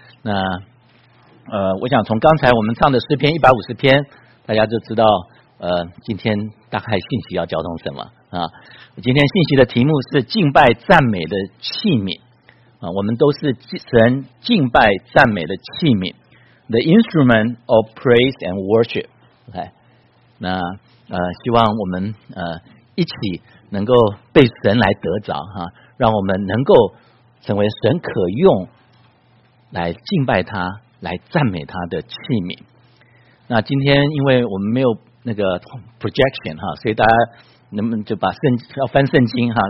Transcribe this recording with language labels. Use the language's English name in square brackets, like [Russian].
[Chinese] 那我想从刚才我们唱的诗篇150篇，大家就知道今天大概信息要交通什么啊。今天信息的题目是敬拜赞美的器皿啊，我们都是神敬拜赞美的器皿。 [English] The instrument of praise and worship. Okay. [Chinese] 那希望我们一起能够被神来得着哈，让我们能够成为神可用来敬拜他、来赞美他的器皿。那今天因为我们没有那个 projection 哈，所以大家能不能就把圣要翻圣经哈？